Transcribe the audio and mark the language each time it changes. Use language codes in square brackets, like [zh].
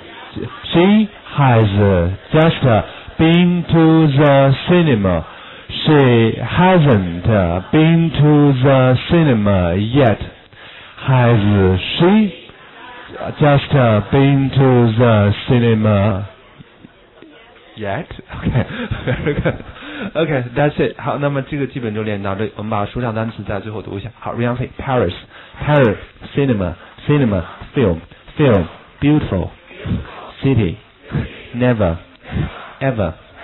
[en] She has just been to the cinema. She hasn't been to the cinema yet. Has she just been to the cinema yet? Okay, very good. Okay, that's it. [zh] 好，那么这个基本就练到这里。我们把书上单词在最后读一下。 [en] 好 ，Ryan Fei, Paris, Paris, cinema, cinema, film, film, beautiful, city, never, ever.